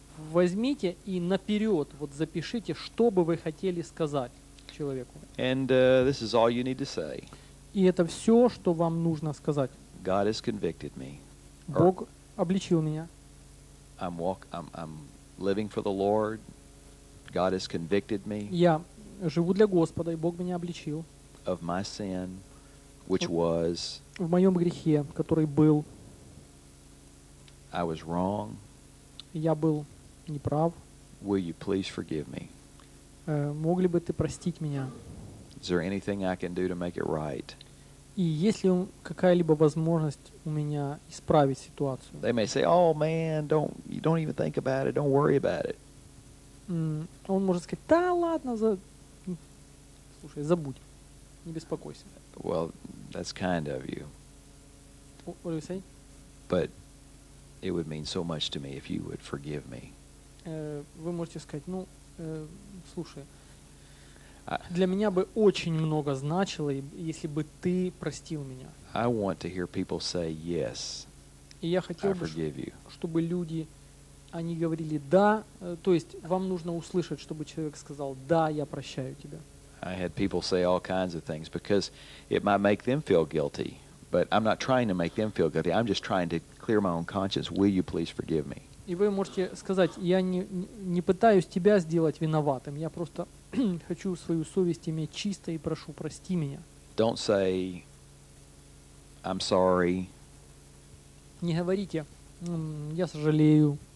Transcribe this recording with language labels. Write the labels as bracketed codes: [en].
[ru] Возьмите и наперед вот запишите, что бы вы хотели сказать человеку. [en] And this is all you need to say. [ru] И это все, что вам нужно сказать. [en] God has convicted me. [ru] Бог обличил меня. [en] I'm living for the Lord. God has convicted me. [ru] Я живу для Господа, и Бог меня обличил. [en] Of my sin, which was. [ru] В моем грехе, который был. [en] I was wrong. [ru] Я был неправ. [en] Will you please forgive me? [ru] Мог ли бы ты простить меня? [en] Is there anything I can do to make it right? [ru] И есть ли какая-либо возможность у меня исправить ситуацию? [en] They may say, "Oh man, don't even think about it, don't worry about it." [ru] Он может сказать: "Да ладно, слушай, забудь, не беспокойся." [en] Well, that's kind of you. What do you say? But it would mean so much to me if you would forgive me. [ru] Вы можете сказать: "Ну, слушай, для меня бы очень много значило, если бы ты простил меня." [en] I want to hear people say yes. [ru] И я хотел бы, чтобы люди они говорили да, то есть вам нужно услышать, чтобы человек сказал: "Да, я прощаю тебя." [en] I had people say all kinds of things because it might make them feel guilty, but I'm not trying to make them feel guilty. I'm just trying to clear my own conscience. Will you please forgive me? [ru] И вы можете сказать: "Я не пытаюсь тебя сделать виноватым. Я просто хочу свою совесть иметь чистой и прошу прости меня." [en] Don't say I'm sorry. [ru] Не говорите: "Я сожалею."